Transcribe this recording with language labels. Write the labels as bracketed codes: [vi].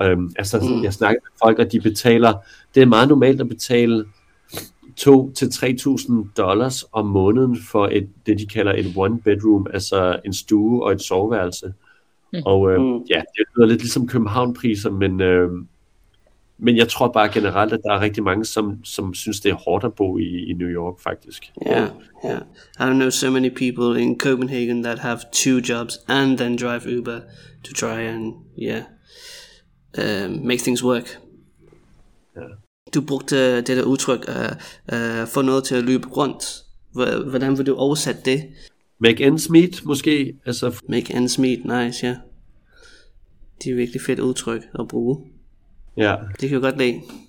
[da] Jeg snakker med folk, og de betaler, det er meget normalt at betale $2,000-$3,000 om måneden for det de kalder et one bedroom, altså en stue og et soveværelse. Det lyder lidt ligesom København-priser, men jeg tror bare generelt, at der er rigtig mange, som synes, det er hårdt at bo i New York, faktisk. [en] Yeah. I know so many people in Copenhagen that have two jobs and then drive Uber to try and make things work. Yeah. [da] Du brugte det der udtryk, få noget til at løbe rundt. Hvordan vil du oversætte det? [en] Make ends meet, måske. Make ends meet, nice, ja. [da] Det er virkelig fedt udtryk at bruge. Ja. Det kan jo godt lide.